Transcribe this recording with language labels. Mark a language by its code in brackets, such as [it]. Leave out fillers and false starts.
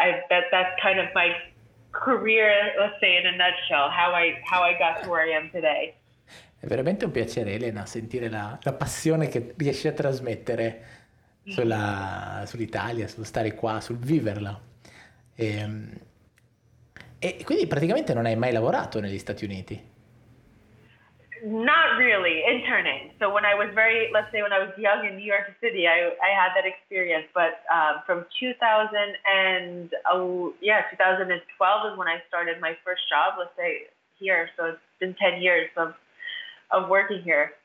[en] That's kind of my career, let's say, in a nutshell, how I got to where I am today. [it] È veramente un piacere, Elena, sentire la passione che riesci a trasmettere sull'Italia, sullo stare qua, sul viverla. E quindi praticamente non hai mai lavorato negli Stati Uniti? [en] Not really, interning. So when I was when I was young in New York City, I had that experience. But from 2012 is when I started my first job, let's say, here. So it's been 10 years of working here.